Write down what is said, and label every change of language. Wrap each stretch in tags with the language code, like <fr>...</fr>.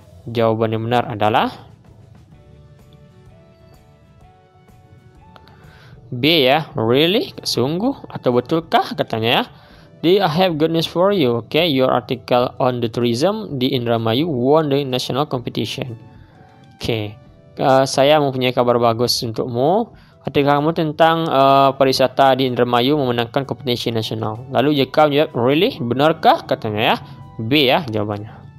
<id>Jawaban yang benar adalah B ya,</id> <en>really,</en> <id>sungguh atau betulkah katanya ya.</id> <en>I have good news for you, okay? Your article on the tourism di Indramayu won the national competition.</en> <id>Okay, saya mempunyai kabar bagus untukmu. Artikel kamu tentang pariwisata di Indramayu memenangkan kompetisi nasional. Lalu jika menjawab,</id> <en>really?</en> <id>Benarkah? Katanya ya. B ya jawabannya.</id>